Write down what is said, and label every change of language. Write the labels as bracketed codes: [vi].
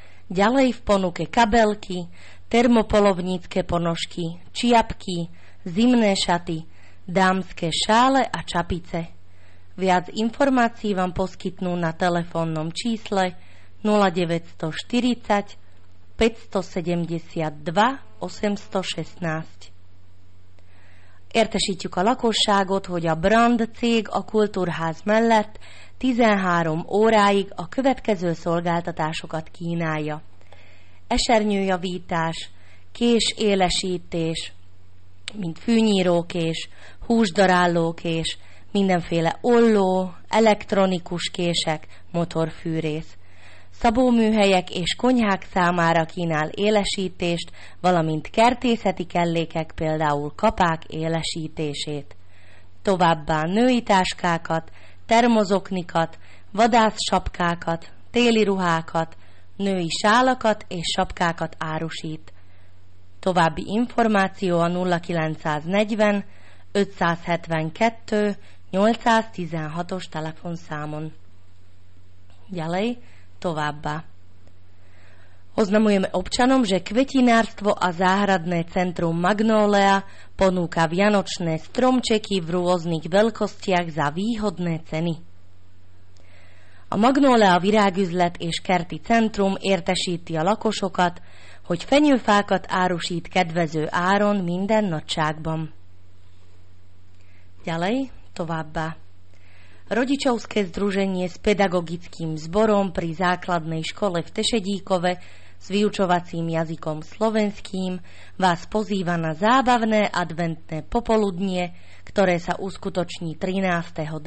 [sk] Ďalej v ponuke kabelky, termopolovnícke ponožky, čiapky, zimné šaty, dámske šále a čapice. Viac informácií vám poskytnú na telefónnom čísle 0940 572 816. [hu] Értesítjük a lakosságot, hogy a Brand cég a kultúrház mellett 13 óráig a következő szolgáltatásokat kínálja. Esernyőjavítás, késélesítés, mint fűnyírókés, húsdarálókés, mindenféle olló, elektronikus kések, motorfűrész. Szabóműhelyek és konyhák számára kínál élesítést, valamint kertészeti kellékek, például kapák élesítését. Továbbá női táskákat, termozoknikat, vadászsapkákat, téli ruhákat, női sálakat és sapkákat árusít. További információ a 0940 572 816-os telefonszámon. [sk] Ďalej [hu] továbbá. [sk] Oznamujeme občanom, že kvetinárstvo a záhradné centrum Magnolia ponúka vianočné stromčeky v rôznych veľkostiach za výhodné ceny. [hu] A Magnolia virágüzlet és kerti centrum értesíti a lakosokat, hogy fenyőfákat árusít kedvező áron minden nagyságban. [sk] Ďalej [hu] továbbá. [sk] Rodičovské združenie s pedagogickým zborom pri základnej škole v Tešedíkove s vyučovacím jazykom slovenským vás pozýva na zábavné adventné popoludnie, ktoré sa uskutoční 13.